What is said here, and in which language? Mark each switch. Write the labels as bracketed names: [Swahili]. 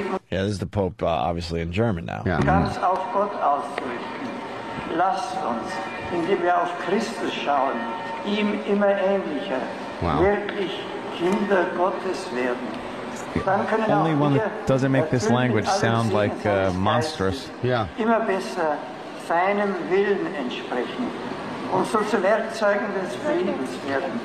[English] Yeah, this is the Pope, obviously in German now. [German] Ganz auf Gott auszurichten. Lasst uns, indem wir auf Christus schauen, ihm immer ähnlicher, wirklich Kinder Gottes werden. [English] The only one that doesn't make this language sound like monstrous. Yeah. [German] Immer besser seinem Willen entsprechen und so zu Werkzeugen des Friedens werden.